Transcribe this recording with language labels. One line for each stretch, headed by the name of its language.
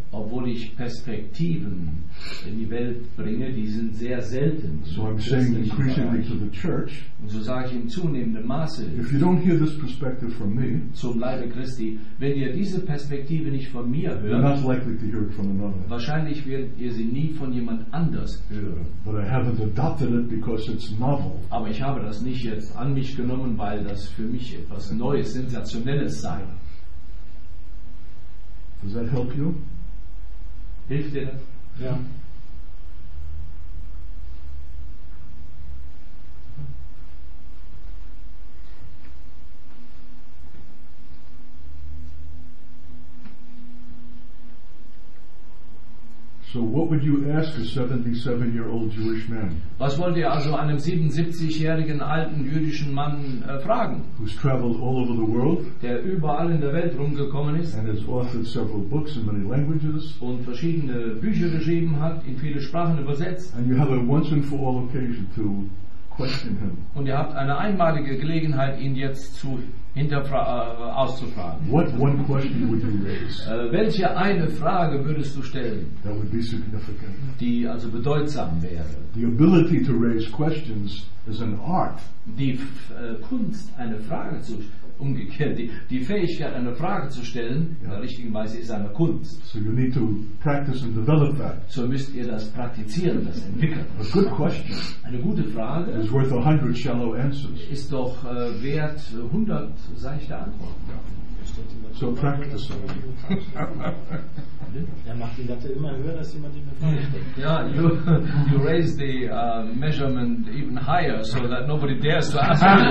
German: Obwohl ich Perspektiven in die Welt bringe, die sind sehr selten.
English: So I'm saying increasingly to the church.
German: Und so sage ich in zunehmendem Maße.
English: If you don't hear this perspective from me.
German: Zum Leibe Christi, wenn ihr diese Perspektive nicht von mir hört.
English: Not likely to hear it from another.
German: Wahrscheinlich werdet ihr sie nie von jemand anders hören.
English: Yeah, but I haven't adopted it because it's novel.
German: Aber ich habe das nicht jetzt an mich genommen, weil das für mich etwas Neues, Sensationelles sei.
English: Does that help you?
German: Hilft dir das? Ja.
English: So what would you ask a 77-year-old Jewish man?
German: Was wollt ihr also einem 77-jährigen alten jüdischen Mann fragen?
English: Who's traveled all over the world?
German: Der überall in der Welt rumgekommen ist.
English: And has authored several books in many languages.
German: Und verschiedene Bücher geschrieben hat, in viele Sprachen übersetzt.
English: And you have a once and for all occasion to question him.
German: Und ihr habt eine einmalige Gelegenheit, ihn jetzt zu auszufragen.
English: What one question would you raise?
German: Welche eine Frage würdest du stellen?
English: That would be significant.
German: Die also bedeutsam wäre.
English: The ability to raise questions is an art.
German: Die Kunst, eine Frage zu umgekehrt, die Fähigkeit, eine Frage zu stellen, yeah, in der richtigen Weise, ist eine Kunst.
English: So you need to practice and develop that.
German: So müsst ihr das praktizieren, das entwickeln.
English: A good question.
German: Eine gute Frage.
English: Is worth 100 shallow answers.
German: Ist doch wert 100 seichte Antworten.
English: Yeah. So practice.
German: Er macht die Latte immer höher, dass jemand ihm eine Frage stellt.
English: Ja, you raise the measurement even higher, so that nobody dares to ask.